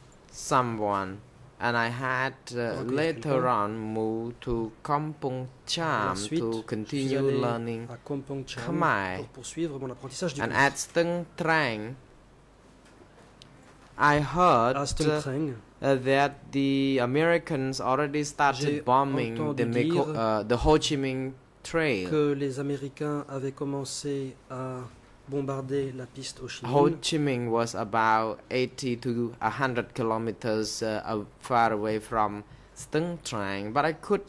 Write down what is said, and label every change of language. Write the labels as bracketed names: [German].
[English] Someone and I had later on moved to Kampong Cham to continue learning Khmer. And at Steng Trang, I heard that the Americans already started bombing the Ho Chi Minh Trail. [French] Que les Américains avaient commencé à bombarder la piste Ho Chi Minh. [English] Ho Chi Minh was about 80 to 100 kilometers far away from Steng Trang, but I could hear